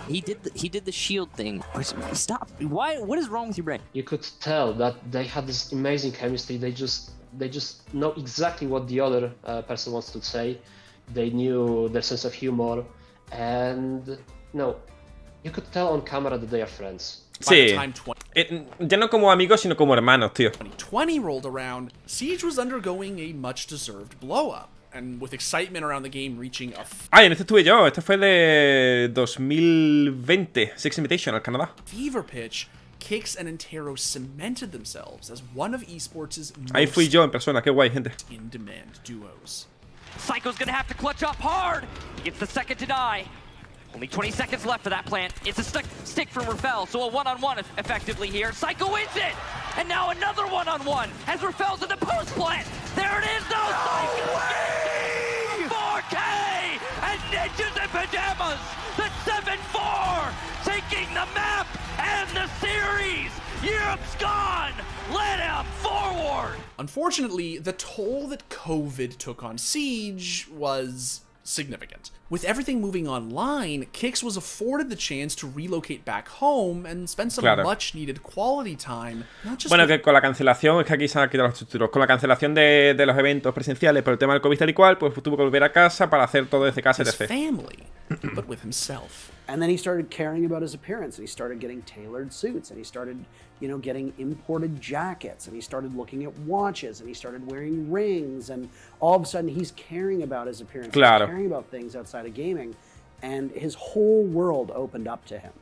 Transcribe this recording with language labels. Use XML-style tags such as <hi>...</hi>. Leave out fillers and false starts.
<en>He did the shield thing. Stop. Why? What is wrong with your brain? You could tell that they had this amazing chemistry. They just know exactly what the other person wants to say. They knew their sense of humor. And no. You could tell on camera that they are friends.</en> <es>Sí. Ya no como amigos, sino como hermanos, tío.</es> <en>2020 rolled around, Siege was undergoing a much-deserved blow-up, and with excitement around the game reaching a...</en> <es>en este estuve yo. Este fue de 2020. Six Invitational, Canadá.</es> <en>Fever pitch, Kix and Entero cemented themselves as one of esports' most...</en> <es>Ahí fui yo en persona. Qué guay, gente.</es> <en>...in-demand duos. Psycho's gonna have to clutch up hard! He gets the second to die. Only 20 seconds left for that plant. It's a stick from Rafael, so a one-on-one effectively here. Psycho wins it! And now another one-on-one as Rafael's in the post plant! There it is, though! No Psycho way! 4K! And Ninjas in Pajamas! The 7-4! Taking the map and the series! Europe's gone! Let him forward! Unfortunately, the toll that COVID took on Siege was... significant. With everything moving online, Kix was afforded the chance to relocate back home and spend some</en> <es>claro.</es> <en>much needed quality time, not just</en> <es>bueno,</es> <en>with...</en> <es>que con la cancelación, es que aquí se han quitado los títulos. Con la cancelación de los eventos presenciales por el tema del COVID tal y cual, pues tuvo que volver a casa para hacer todo desde casa,</es> <en>etc. Family, but with himself. And then he started caring about his appearance, and he started getting tailored suits, and he started, you know, getting imported jackets, and he started looking at watches, and he started wearing rings, and all of a sudden he's caring about his appearance,</en> <es>claro.</es> <en>he's caring about things outside of gaming, and his whole world opened up to him.</en>